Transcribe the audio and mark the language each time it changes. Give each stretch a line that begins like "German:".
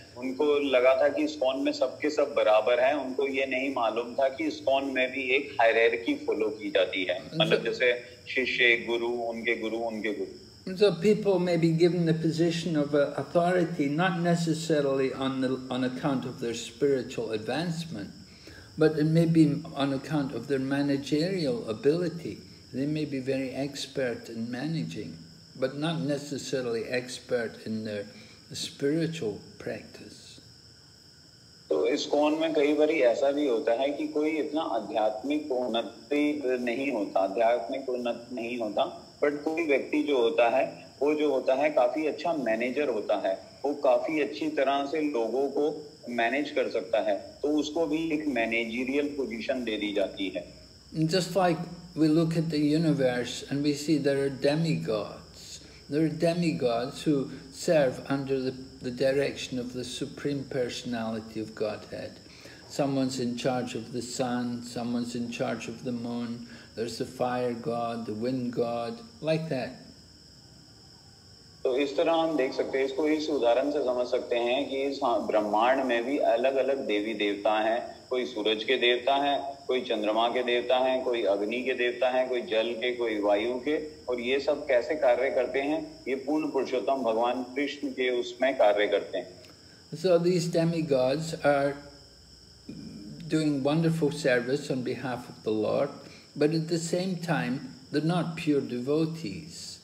Hindi: उनको लगा था कि इस्कॉन में सबके सब बराबर हैं, उनको ये नहीं मालूम था कि इस्कॉन में भी एक हायरार्की फॉलो की जाती है, मतलब जैसे शिष्य गुरु उनके गुरु उनके गुरु.
English: So people may be given the position of authority not necessarily on the, on account of their spiritual advancement, but it may be on account of their managerial ability. They may be very expert in managing, but not necessarily expert in their spiritual practice.
Hindi: तो इस कौन में कई बार ऐसा भी होता है कि कोई इतना आध्यात्मिक उन्नति नहीं होता, आध्यात्मिक उन्नति नहीं होता, पर कोई व्यक्ति जो होता है काफी अच्छा मैनेजर होता है, वो काफी अच्छी तरह से लोगों को मैनेज कर सकता है, तो उसको भी एक मैनेजरियल पोजीशन दे दी जाती है.
English: Just like we look at the universe and we see there are demigods. There are demigods who serve under the direction of the Supreme Personality of Godhead. Someone's in charge of the sun, someone's in charge of the moon, there's the fire god, the wind god, like that.
Hindi: So, इस तरह हम देख सकते हैं, इसको इस उदाहरण से समझ सकते हैं कि इस ब्रह्मांड में भी अलग अलग देवी देवता हैं. कोई सूरज के देवता हैं, कोई चंद्रमा के देवता हैं, कोई अग्नि के देवता हैं, कोई जल के, कोई वायु के, और ये सब कैसे कार्य करते हैं? ये पूर्ण पुरुषोत्तम भगवान कृष्ण के उसमें कार्य करते हैं.
English: So these demigods are doing wonderful service on behalf of the Lord, but at the same time they're not pure devotees.